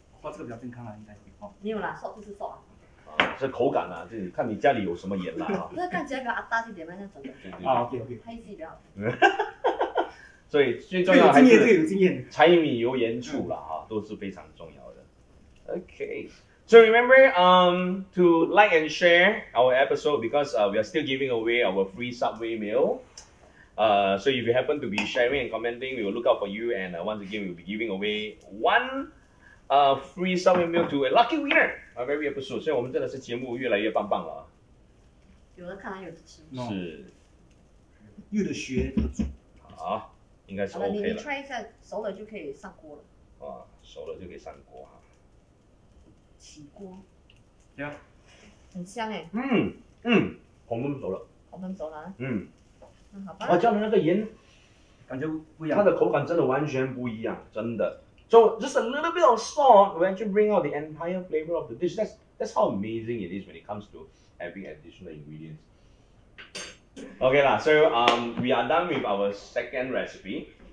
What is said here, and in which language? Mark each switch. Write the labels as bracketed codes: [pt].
[zh] 哇，这个比较健康啊，应该是。没有啦 ，salt 就是 salt 啊。是口感啦、啊，就看你家里有什么盐啦、啊。那看起来跟阿大是点样样子的。啊 ，OK OK，太细了。所以最重要还是有经验，柴米油盐醋啦、啊嗯、都是非常重要的。 [en] OK， so remember to like and share our episode because we are still giving away our free Subway meal. So if you happen to be sharing and commenting, we will look out for you and once again we will be giving away one free Subway meal to a lucky winner. [zh] 啊 ， [en] very episode， [zh] 所以我们真的是节目越来越棒棒了。有的看，有的吃。 No. 是，越的学越的煮。好，应该是 OK 了。你 try 一下，熟了就可以上锅了。啊，熟了就可以上锅哈。起锅。 [en] Yeah. [zh] 很香哎、欸。嗯嗯，红焖熟了。红焖熟了。嗯。那好吧。啊，叫你那个盐，感觉不一样。它的口感真的完全不一样，真的。 [en] So just a little bit of salt will actually bring out the entire flavor of the dish. That's how amazing it is when it comes to having additional ingredients. Okay lah, so we are done with our second recipe.